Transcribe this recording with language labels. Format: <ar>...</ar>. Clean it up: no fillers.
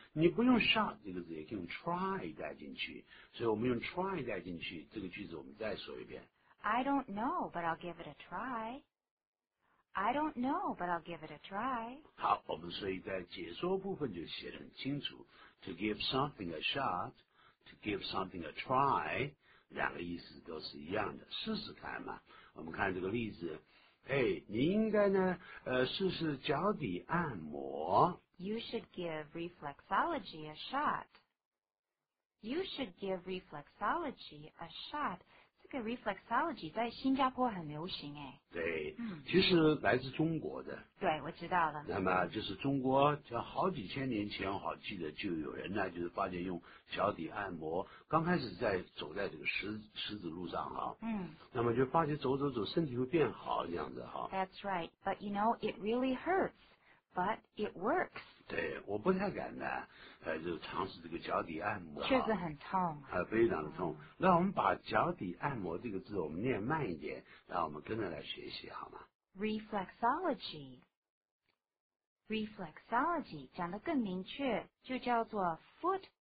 <zh>你不用 shot 这个字，也可以用 try 带进去。所以我们用 try 带进去，这个句子我们再说一遍。</zh> <en>I don't know, but I'll give it a try. I don't know, but I'll give it a try.</en> <zh>好，我们所以在解说部分就写得很清楚。</zh> <en>To give something a shot, to give something a try.</en> <zh>两个意思都是一样的，试试看嘛。我们看这个例子，哎，你应该呢，试试脚底按摩。</zh> <en>You should give reflexology a shot. You should give reflexology a shot.</en> <zh>这个 reflexology 在新加坡很流行哎。对，其实来自中国的。对，我知道了。那么就是中国，就好几千年前，我好记得就有人呢，就是发现用。脚底按摩，刚开始在走在这个石子路上哈，嗯，那么就发觉走，身体会变好这样子哈。</zh> <en>That's right, but you know it really hurts, but it works.</en> <zh>对，我不太敢呢，就尝试这个脚底按摩。确实很痛。非常的痛。那我们把脚底按摩这个字，我们念慢一点，让我们跟着来学习好吗</zh> <en>？Reflexology。</en> <zh>Reflexology 讲得更明确，就叫做 foot。</zh>